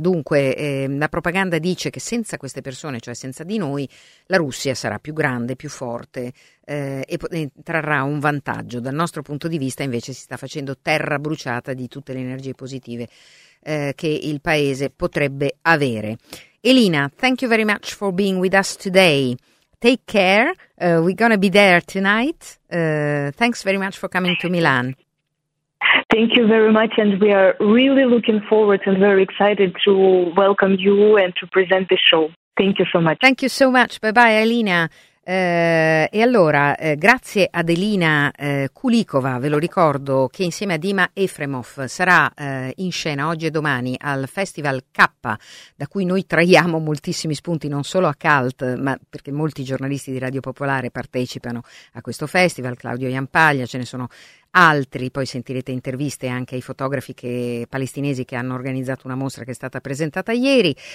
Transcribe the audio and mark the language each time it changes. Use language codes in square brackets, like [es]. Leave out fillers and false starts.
[it] Dunque la propaganda dice che senza queste persone, cioè senza di noi, la Russia sarà più grande, più forte e trarrà un vantaggio. Dal nostro punto di vista invece si sta facendo terra bruciata di tutte le energie positive che il paese potrebbe avere. [en] Elina, thank you very much for being with us today. Take care. We're going to be there tonight. Thanks very much for coming to Milan. Thank you very much, and we are really looking forward and very excited to welcome you and to present the show. Thank you so much. Thank you so much. Bye bye, Elina. [it] E allora, grazie ad Elina Kulikova, ve lo ricordo, che insieme a Dima Efremov sarà in scena oggi e domani al Festival K, da cui noi traiamo moltissimi spunti, non solo a CALT, ma perché molti giornalisti di Radio Popolare partecipano a questo festival, Claudio Iampaglia, ce ne sono altri, poi sentirete interviste anche ai fotografi che, palestinesi che hanno organizzato una mostra che è stata presentata ieri.